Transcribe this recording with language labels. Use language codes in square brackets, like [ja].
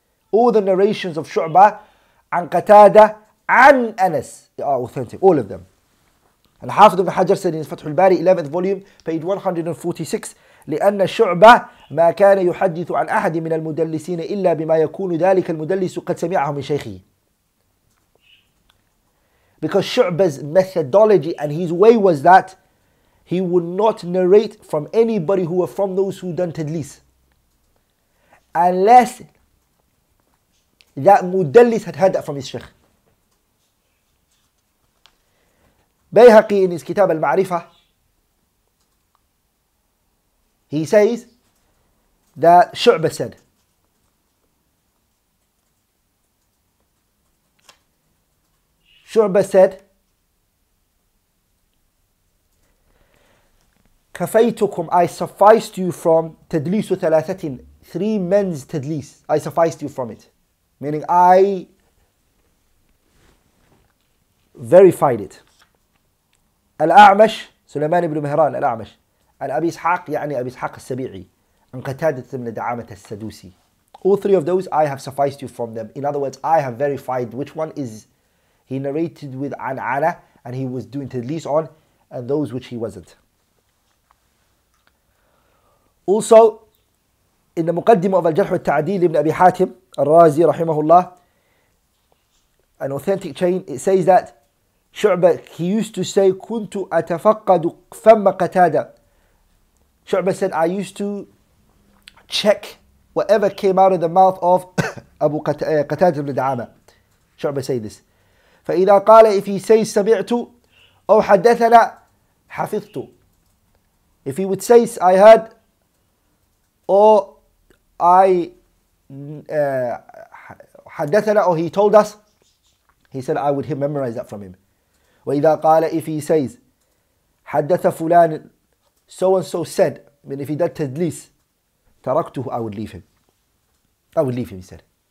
[en] All the narrations of شعب عن قتادة عن أنس are authentic. All of them. And Hafiz ibn Hajar said in Fathul Bari, 11th volume, page 146, [ar] لأن شعبة ما كان يحدث عن أحد من المدلسين إلا بما يكون ذلك المدلس قد سمعه من شيخه. [en] Because شعبة's methodology and his way was that he would not narrate from anybody who were from those who done tadlis unless that مدلس had heard that from his شيخ. Bayhaqi in his Kitab al-Ma'rifa, he says that Shu'ba said, Shu'ba said, [ar] كفيتكم, [en] I sufficed you from [ar] تدليس ثلاثة, [en] three men's تدليس, I sufficed you from it. Meaning I verified it. [ar] الأعمش سليمان بن مهران الأعمش عن أبي إسحاق يعني أبي إسحاق السبيعي عن قتادة من دعامة السدوسي. [en] All three of those I have sufficed you from them. In other words, I have verified which one is he narrated with an'ana and he was doing tadlis on and those which he wasn't. Also, in the مقدمة of الجرح والتعديل ابن أبي حاتم الرازي رحمه الله, an authentic chain, it says that شعبة, he used to say, [ar] كنت أتفقد فم قتادة. [en] شعبة said, I used to check whatever came out of the mouth of أبو قتادة بن دعامة. شعبة say this. [ar] فإذا قال, [en] if he says [ar] سمعت أو حدثنا حفظت. [en] If he would say, I heard, حدثنا, or he told us, he said, I would memorize that from him. [ar] وَإِذَا قَالَ [en] if he says [ar] حَدَّثَ فُلَانِ [en] so and so said, mean if he did تدليس [ar] تَرَكْتُهُ [en] I would leave him, he said.